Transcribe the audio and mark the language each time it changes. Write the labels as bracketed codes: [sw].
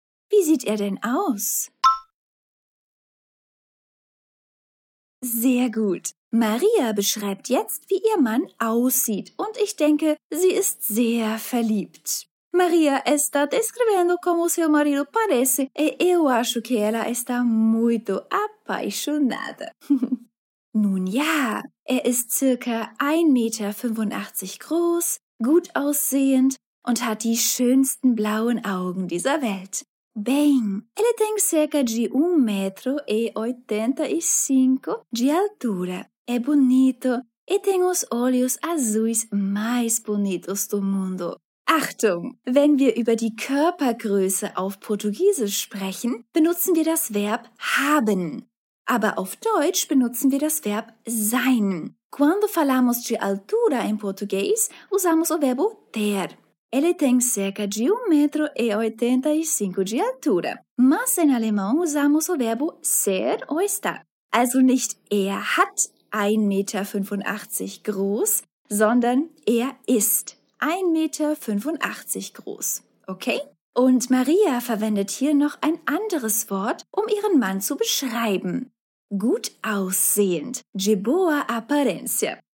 [de] Wie sieht er denn aus? Sehr gut. Maria beschreibt jetzt, wie ihr Mann aussieht und ich denke, sie ist sehr verliebt. [pt] Maria está descrevendo como seu marido parece e eu acho que ela está muito apaixonada. [de] Nun ja, ist circa 1,85 Meter groß, gut aussehend und hat die schönsten blauen Augen dieser Welt. [pt] Bem, ele tem cerca de 1,85 de altura. É bonito e tem os olhos azuis mais bonitos do mundo. [de] Achtung! Wenn wir über die Körpergröße auf Portugiesisch sprechen, benutzen wir das Verb haben. Aber auf Deutsch benutzen wir das Verb sein. [pt] Quando falamos de altura em português, usamos o verbo ter. Ele tem cerca de 1,85 m de altura. Mas em alemão usamos o verbo ser ou estar. [de] Also nicht er hat 1,85 m groß, sondern er ist 1,85 m groß. Okay? Und Maria verwendet hier noch ein anderes Wort, um ihren Mann zu beschreiben. Gut aussehend. [pt] De boa aparência.